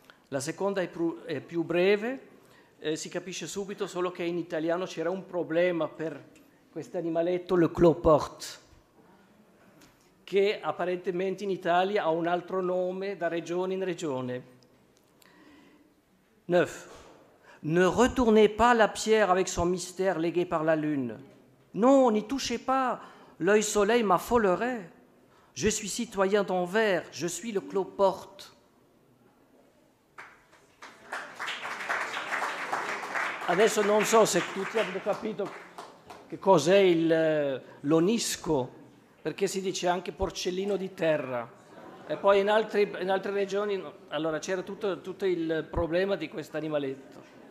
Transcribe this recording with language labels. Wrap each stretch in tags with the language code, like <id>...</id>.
<it>La seconda è più breve, si capisce subito, solo che in italiano c'era un problema per questo animaletto, le cloporte, che apparentemente in Italia ha un altro nome da regione in regione. 9.</it> <fr>Ne retournez pas la pierre avec son mystère légué par la lune. Non, n'y touchez pas, l'œil soleil m'affolerait. Je suis citoyen d'Anvers, je suis le cloporte.</fr> <it>Adesso non so se tutti hanno capito che cos'è l'onisco, perché si dice anche porcellino di terra. E poi in altre regioni, no. Allora c'era tutto il problema di questo animaletto.</it>